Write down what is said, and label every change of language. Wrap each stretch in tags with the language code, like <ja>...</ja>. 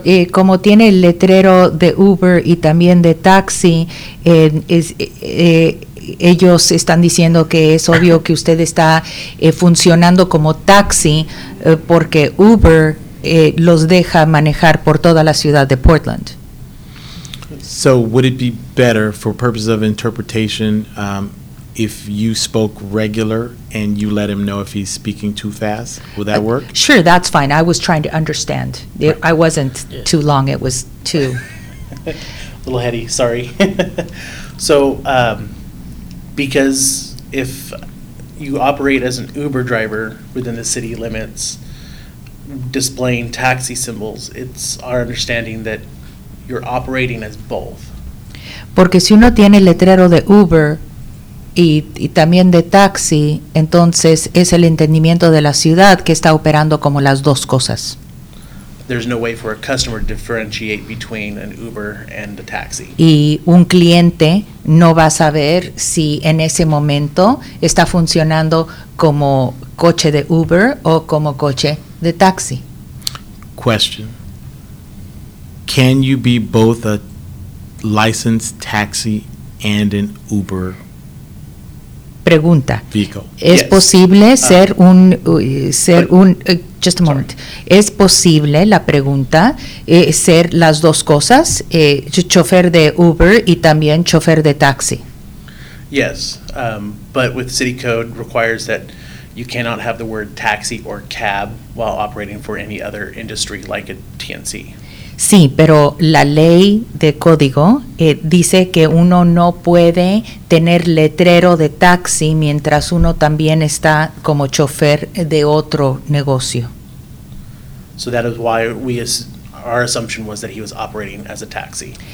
<es>Como tiene el letrero de Uber y también de taxi, ellos están diciendo que es obvio que usted está funcionando como taxi porque Uber los deja manejar por toda la ciudad de Portland.</es> <en>So would it be better for purposes of interpretation if you spoke regular and you let him know if he's speaking too fast? Would that work? Sure, that's fine. I was trying to understand. I wasn't too long. It was too... A little heady, sorry. So because if you operate as an Uber driver within the city limits displaying taxi symbols, it's our understanding that you're operating as both.</en> <es>Porque si uno tiene el letrero de Uber y también de taxi, entonces es el entendimiento de la ciudad que está operando como las dos cosas.</es> <en>There's no way for a customer to differentiate between an Uber and a taxi.</en> <es>Y un cliente no va a saber si en ese momento está funcionando como coche de Uber o como coche de taxi.</es> <en>Question. Can you be both a licensed taxi and an Uber?</en> <es>Pregunta.</es> <en>Vehicle.</en> <es>¿Es posible ser</es> <en>just a moment. Sorry.</en> <es>¿Es posible, la pregunta, ser las dos cosas, chofer de Uber y también chofer de taxi?</es> <en>Yes, but with city code requires that You cannot have the word taxi or cab while operating for any other industry like a TNC.</en> <es>Sí, pero la ley de código dice que uno no puede tener letrero de taxi mientras uno también está como chofer de otro negocio.</es> <en>So that is why our assumption was that he was operating as a taxi.</en>